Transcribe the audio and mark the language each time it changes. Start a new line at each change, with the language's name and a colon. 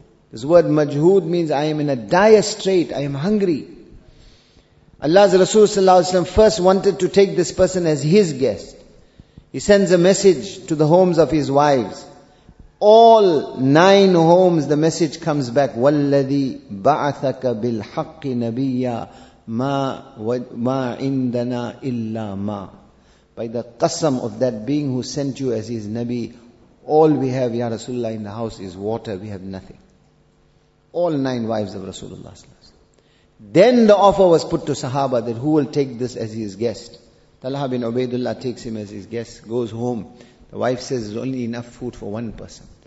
English: This word majhood means I am in a dire strait, I am hungry. Allah's Rasul sallallahu alayhi wa sallam first wanted to take this person as his guest. He sends a message to the homes of his wives. all nine homes, the message comes back,
Arabic: وَالَّذِي بَعَثَكَ بِالْحَقِّ نَبِيًّا مَا عِنْدَنَا إِلَّا مَا.
English: By the qasam of that being who sent you as his Nabi, all we have, Ya Rasulullah, in the house is water, we have nothing. All nine wives of Rasulullah ﷺ. Then the offer was put to Sahaba that who will take this as his guest. Talha bin Ubaidullah takes him as his guest, goes home. The wife says, there's only enough food for one person.